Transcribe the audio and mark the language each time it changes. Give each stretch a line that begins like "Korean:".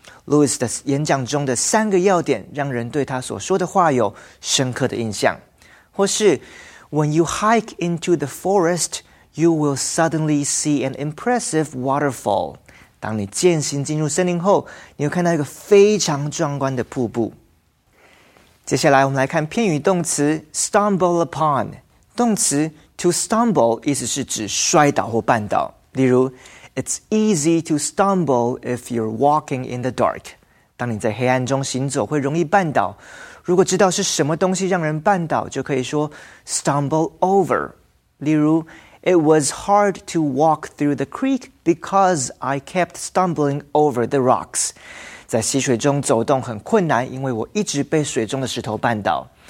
Chinese: Louis 的演讲中的三个要点让人对他所说的话有深刻的印象。或是
English: When you hike into the forest, you will suddenly see an impressive waterfall.
Chinese: 当你健行进入森林后，你会看到一个非常壮观的瀑布。接下来我们来看片语动词 stumble upon。动词 to stumble 意思是指摔倒或绊倒。例如
English: ，It's easy to stumble if you're walking in the dark.
Chinese: 当你在黑暗中行走，会容易绊倒。如果知道是什么东西让人绊倒，就可以说 stumble over。例如
English: ，It was hard to walk through the creek because I kept stumbling over the rocks。
Chinese: 在溪水中走动很困难，因为我一直被水中的石头绊倒。